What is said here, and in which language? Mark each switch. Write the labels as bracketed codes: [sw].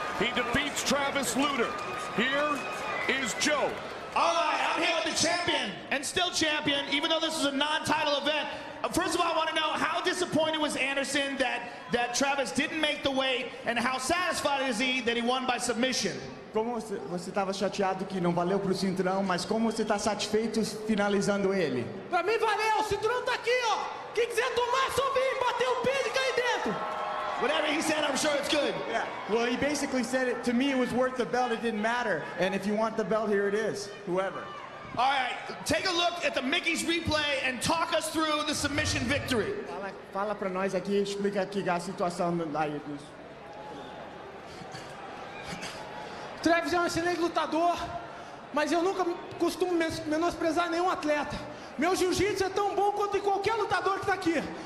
[en] He defeats Travis Lutter. Here is Joe. All right, I'm here with the champion, and still champion, even though this is a non-title event. First of all, I want to know, how disappointed was Anderson that Travis didn't make the weight, and how satisfied is he that he won by submission? [pt] Como você estava chateado que não valeu pro cinturão, mas como você está satisfeito finalizando ele? Para mim valeu, o cinturão está aqui, ó. Quem quiser tomar, só vir, bater o peso e cair dentro. [en] Whatever he said, I'm sure it's good. Yeah. Well, he basically said it to me, it was worth the belt. It didn't matter. And if you want the belt, here it is. Whoever. All right. Take a look at the Mickey's replay and talk us through the submission victory. [pt] Fala pra nós aqui, explica aqui a situação da Yudis. Travis é um excelente lutador, mas eu nunca costumo menosprezar nenhum atleta. Meu jiu-jitsu é tão bom quanto qualquer lutador que tá aqui.